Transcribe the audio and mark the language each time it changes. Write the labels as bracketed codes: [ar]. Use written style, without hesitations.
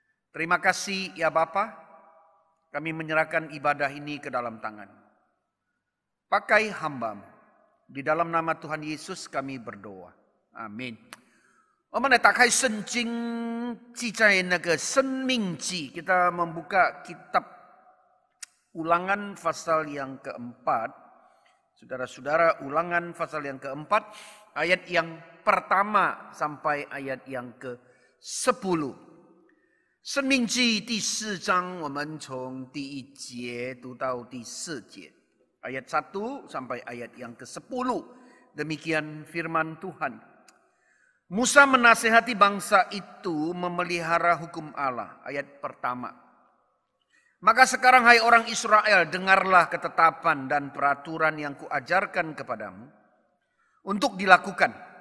[id] Terima kasih ya Bapa, kami menyerahkan ibadah ini ke dalam tangan-Mu. Pakai hamba-Mu. Di dalam nama Tuhan Yesus kami berdoa. Amin. [zh] 我们来打开圣经，记载那个《生命记》。 [id] Kita membuka kitab Ulangan pasal yang keempat. Saudara-saudara, Ulangan pasal yang keempat, ayat yang pertama sampai ayat yang ke-10. [zh] 生命记第四章，我们从第一节读到第四节。 [id] Ayat 1 sampai ayat yang ke-10. Demikian firman Tuhan. Musa menasihati bangsa itu memelihara hukum Allah. Ayat pertama. Maka sekarang hai orang Israel, dengarlah ketetapan dan peraturan yang kuajarkan kepadamu untuk dilakukan.